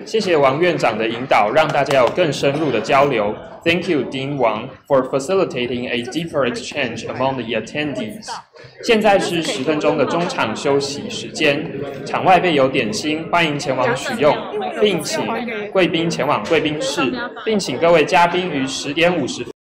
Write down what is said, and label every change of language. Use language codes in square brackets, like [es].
[zh] 谢谢王院长的引导，让大家有更深入的交流。 [en] Thank you, Dean Wang, for facilitating a deeper exchange among the attendees. [zh] 现在是十分钟的中场休息时间，场外备有点心，欢迎前往取用，并请贵宾前往贵宾室，并请各位嘉宾于10:50。